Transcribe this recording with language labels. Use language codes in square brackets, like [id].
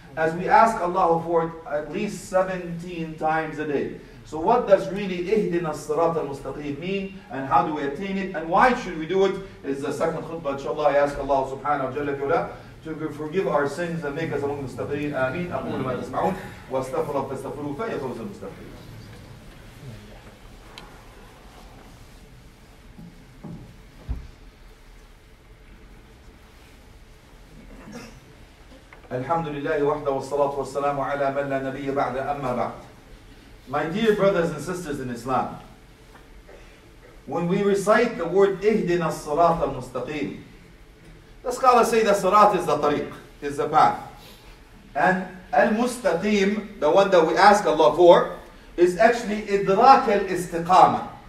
[en] As we ask Allah for it at least 17 times a day. So what does really Ihdina Sirat al-Mustaqim mean? And how do we attain it? And why should we do it? Is the second khutbah, inshallah, I ask Allah subhanahu wa ta'ala to forgive our sins and make us among the mustaqeen. Ameen. [ar] أقول ما تسمعون واستغفر الله فاستغفروه فهو فوز المستغفرين. الحمد لله وحده والصلاة والسلام على من لا نبي بعد أما بعد. [en] My dear brothers and sisters in Islam, when we recite the word [ar] إهدنا الصلاة المستقيم, [en] the scholars say the Sirat is the tariq, is the path. And al-mustaqim, the one that we ask Allah for, is actually idrak al-istiqama.